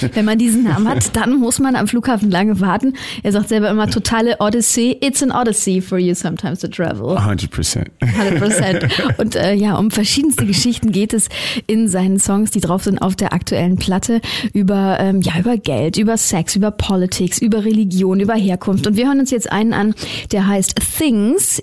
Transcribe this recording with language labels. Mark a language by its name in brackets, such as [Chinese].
[German] Wenn man diesen Namen hat, dann muss man am Flughafen lange warten. Er sagt selber immer, totale Odyssey. [English] It's an odyssey for you sometimes to travel. 100%. [German] Und um verschiedenste Geschichten geht es in seinen Songs, die drauf sind auf der aktuellen Platte, über Geld, über Sex, über Politics, über Religion, über Herkunft. Und wir hören uns jetzt einen an, der heißt Things.